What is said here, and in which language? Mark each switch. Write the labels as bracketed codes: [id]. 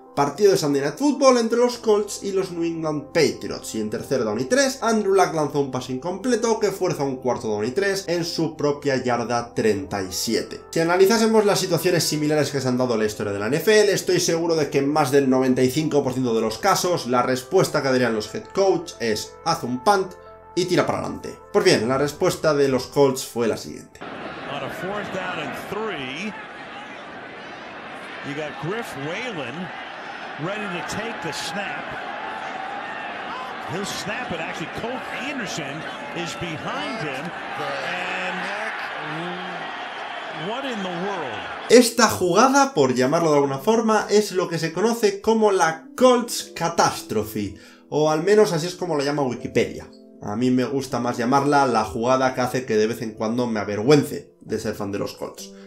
[es] Partido de Sunday Night Football entre los Colts y los New England Patriots. Y en tercer down y 3, Andrew Luck lanzó un pase incompleto que fuerza un cuarto down y 3 en su propia yarda 37. Si analizásemos las situaciones similares que se han dado en la historia de la NFL, estoy seguro de que en más del 95% de los casos, la respuesta que darían los head coach es: haz un punt y tira para adelante. Pues bien, la respuesta de los Colts fue la siguiente. [en] On a fourth down and three, you got Griff Whalen ready to take the snap. He'll snap it. Actually, Colt Anderson is behind him. And what in the world? [es] Esta jugada, por llamarlo de alguna forma, es lo que se conoce como la Colts Catastrophe, o al menos así es como la llama Wikipedia. A mí me gusta más llamarla la jugada que hace que de vez en cuando me avergüence de ser fan de los Colts.